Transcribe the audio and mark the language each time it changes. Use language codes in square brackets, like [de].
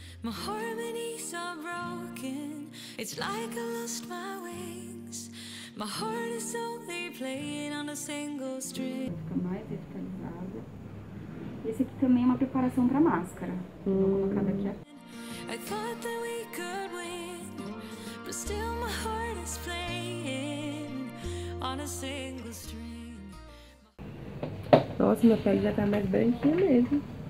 [en] My harmonies are broken. It's like I lost my wings. My heart is only playing on a single string. [pt] Fica mais digitalizada. Esse aqui também é uma preparação para máscara. Vou colocar daqui a pouco. [en] I thought that we could win, but still my heart is playing on a single string. [pt] Nossa, minha pele já tá mais branquinha mesmo.